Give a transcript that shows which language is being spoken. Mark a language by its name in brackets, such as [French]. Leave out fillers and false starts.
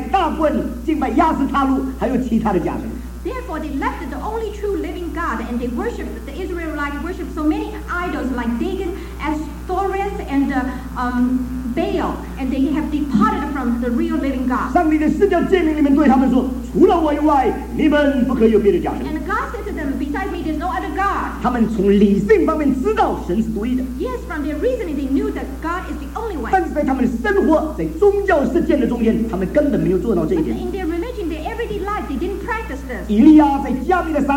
[Chinese] 所以在以色列的历史中间，他们离开了独一的信仰，独一神的信仰，他们敬拜了巴利，敬拜大棍，敬拜亚斯他录，还有其他的假神。 [English] Therefore, they left the only true living God, and they worshipped the Israelite, worshipped so many idols like Dagon, Astoreth, and Baal, and they have departed from the real living God. [Chinese] 上帝的四条诫命里面对他们说，除了我以外，你们不可有别的假神。 [English] And God said to them, "Besides me, there's no other God." [Chinese] 他们从理性方面知道神是独一的。 [English] Yes, from their reasoning, they knew that God is the only one. [Chinese] 但是在他们的生活，在宗教实践的中间，他们根本没有做到这一点。 [English] But in their religion, their everyday life, they didn't practice this.